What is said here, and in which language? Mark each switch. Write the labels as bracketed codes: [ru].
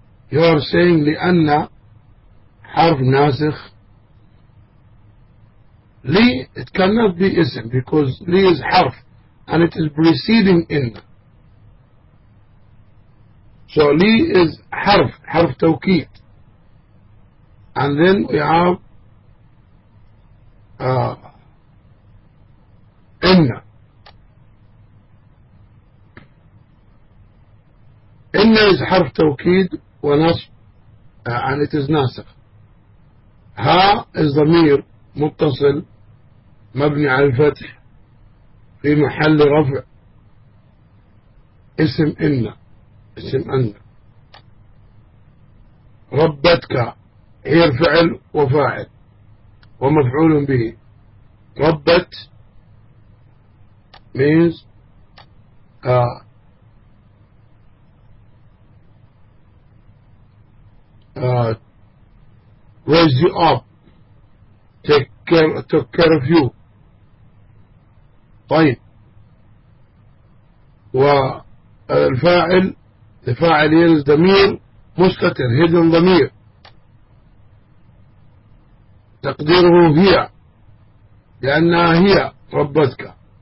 [en] You are saying [ar] لأن حرف ناسخ. [en] لي it cannot be ism because لي is حرف and it is preceding inna. [ar] So لي is حرف, حرف توكيد. [en] And then we have inna. [ar] إن is حرف توكيد ونصب [en] and it is [ar] ناسخ. ها is ضمير متصل مبني على الفتح في محل رفع اسم إن. اسم أن. ربتك هي الفعل وفاعل ومفعول به. [en] ربت means raise you up, take care of you. [ar] طيب. والفاعل, الفاعل is ضمير مستتر, [en] hidden [ar] ضمير. تقديره هي, لأنها هي ربتك.